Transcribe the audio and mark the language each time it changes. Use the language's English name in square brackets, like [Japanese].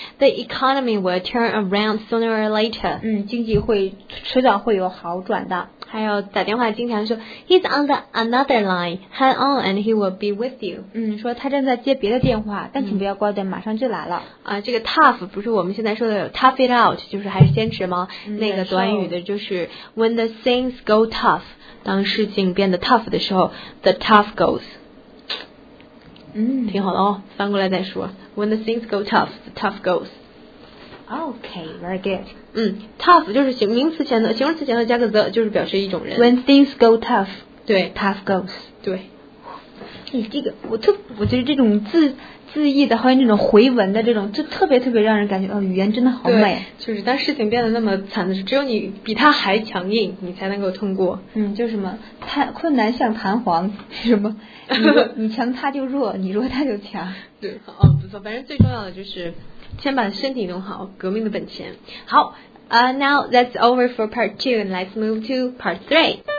[English] The economy will turn around sooner or later. [Chinese] 经济会迟早会有好转的。还有打电话经常说 [English] He's on the another line. Hang on and he will be with you. [Chinese] 说他正在接别的电话，但请不要挂断，马上就来了。这个 tough 不是我们现在说的 [English] tough it out， [Chinese] 就是还是坚持吗？那个短语的就是 [English] when the things go tough。 [Chinese] 当事情变得 tough 的时候 ， [English] the tough goes。 [Chinese] 挺好的哦，翻过来再说。 [English] When the things go tough, the tough goes. Okay, very good. [Chinese] Tough 就是形容词前的，形容词前的加个 the 就是表示一种人。 [English] When things go tough, [Chinese] 对 [English] ，tough goes. [Chinese] 对。这个我觉得这种字义的，还有那种回文的这种，就特别特别让人感觉，语言真的好美。就是当事情变得那么惨的时候，只有你比他还强硬，你才能够通过。就什么，困难像弹簧，什么，你强他就弱，你弱他就强。对，不错，反正最重要的就是先把身体弄好，革命的本钱。好， [English] now that's over for part two, and let's move to part three.